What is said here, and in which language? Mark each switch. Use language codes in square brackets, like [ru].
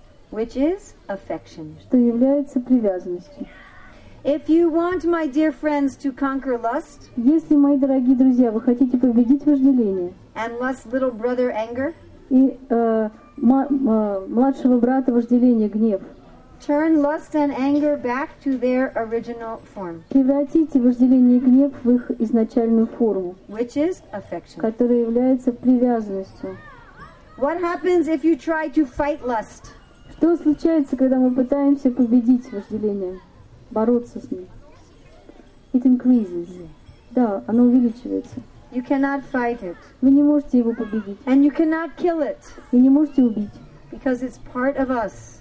[en] Which is affection. [ru] Что является привязанностью. [en] If you want, my dear friends, to conquer lust. [ru] Если, мои дорогие друзья, вы хотите победить вожделение. [en] And lust, little brother, anger. [ru] И младшего брата вожделение, гнев. [en] Turn lust and anger back to their original form. [ru] Превратите вожделение и гнев в их изначальную форму. [en] Which is affection. [ru] Которая является привязанностью. [en] What happens if you try to fight lust? [ru] Что случается, когда мы пытаемся победить вожделение, бороться с ним? [en] It increases. [ru] Да, оно увеличивается. [en] You cannot fight it. [ru] Вы не можете его победить. [en] And you cannot kill it. [ru] И не можете убить. [en] Because it's part of us.